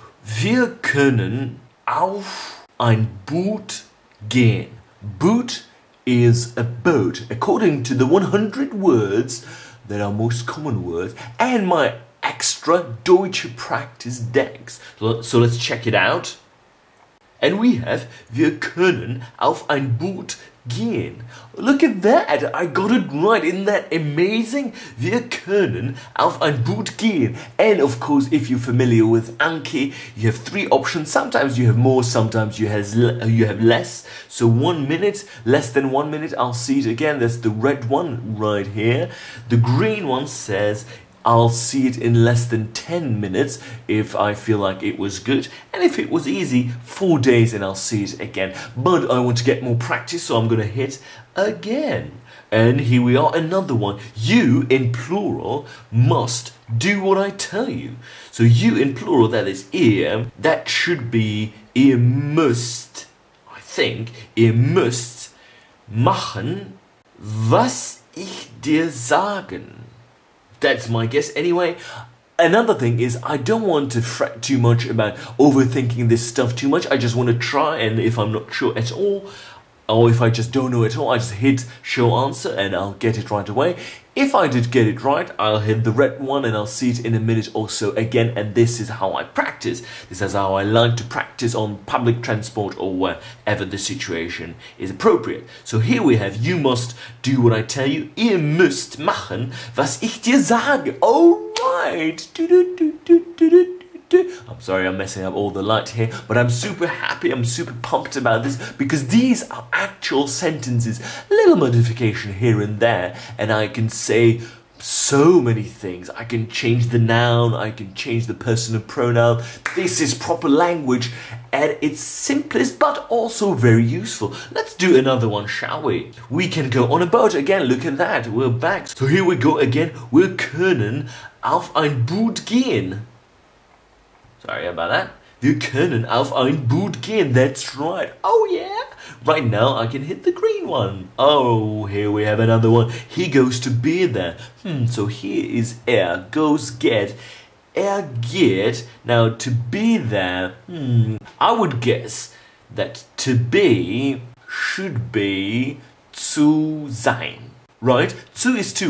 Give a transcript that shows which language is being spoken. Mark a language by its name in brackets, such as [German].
[German] Wir können auf ein Boot gehen. [English] Boot is a boat. According to the 100 words that are most common words and my extra Deutsche practice decks. So let's check it out. [German] And we have, wir können auf ein Boot gehen. Look at that, I got it right. Isn't that amazing? Wir können auf ein Boot gehen. [English] And of course, if you're familiar with Anki, you have three options. Sometimes you have more, sometimes you have less. So 1 minute, less than 1 minute, I'll see it again. That's the red one right here. The green one says, I'll see it in less than 10 minutes if I feel like it was good. And if it was easy, 4 days and I'll see it again. But I want to get more practice, so I'm gonna hit again. And here we are, another one. You, in plural, must do what I tell you. So you, in plural, that is ihr, that should be ihr müsst, I think. [German] Ihr müsst machen, was ich dir sagen. [English] That's my guess anyway. Another thing is, I don't want to fret too much about overthinking this stuff too much. I just want to try, and if I'm not sure at all, or if I just don't know at all, I just hit show answer and I'll get it right away. If I did get it right, I'll hit the red one and I'll see it in a minute or so again. And this is how I practice. This is how I like to practice on public transport or wherever the situation is appropriate. So here we have, you must do what I tell you. [German] Ihr müsst machen, was ich dir sage. [English] All right. I'm sorry, I'm messing up all the light here, but I'm super happy, I'm super pumped about this, because these are actual sentences, little modification here and there, and I can say so many things. I can change the noun, I can change the personal pronoun. This is proper language at its simplest, but also very useful. Let's do another one, shall we? We can go on a boat again. Look at that, we're back. So here we go again. [German] Wir können auf ein Boot gehen. Sorry about that. Wir können auf ein Boot gehen. [English] That's right. Oh yeah. Right now I can hit the green one. Oh, here we have another one. He goes to be there. So here is er. Goes get. Er geht. Now to be there. I would guess that to be should be zu sein. Right? Zu is to.